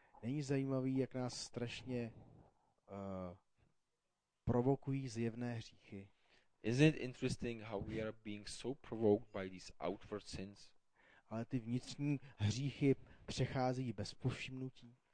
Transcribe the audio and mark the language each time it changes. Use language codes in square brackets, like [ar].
[cs] Není zajímavý, jak nás strašně provokují zjevné hříchy. [en] Isn't it interesting how we are being so provoked by these outward sins? [cs] Ale ty vnitřní hříchy přecházejí bez povšimnutí.